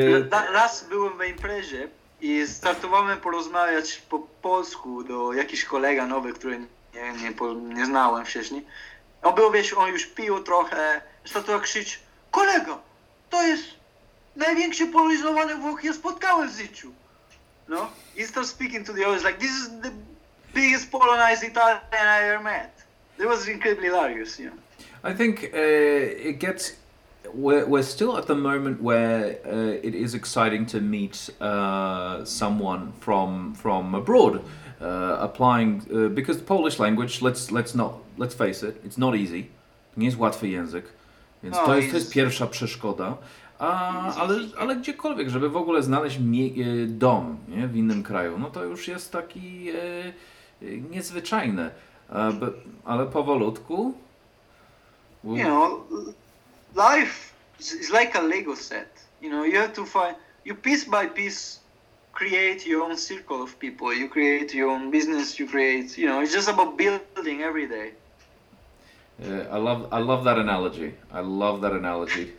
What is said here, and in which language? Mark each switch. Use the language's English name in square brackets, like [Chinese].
[Polish] Raz byłem w imprezie i startowałem porozmawiać po polsku do jakichś kolega nowych, który nie znałem wcześniej. On już pił trochę, startował krzyczeć: kolego, to jest największy polonizowany Włoch, ja spotkałem w życiu. [English] No, he started speaking to the others like, this is the biggest polonized Italian I ever met. It was incredibly hilarious, you know. I think it gets... We're still at the moment where it is exciting to meet someone from abroad applying, because the Polish language, let's face it, it's not easy. [Polish] Nie jest łatwy język, więc to jest pierwsza przeszkoda. Ale gdziekolwiek, żeby w ogóle znaleźć dom, nie, w innym kraju, no to już jest taki niezwyczajne. Ale powolutku... [English] Life is like a Lego set, you have to find, you piece by piece create your own circle of people, you create your own business, it's just about building every day. I love that analogy. I love that analogy.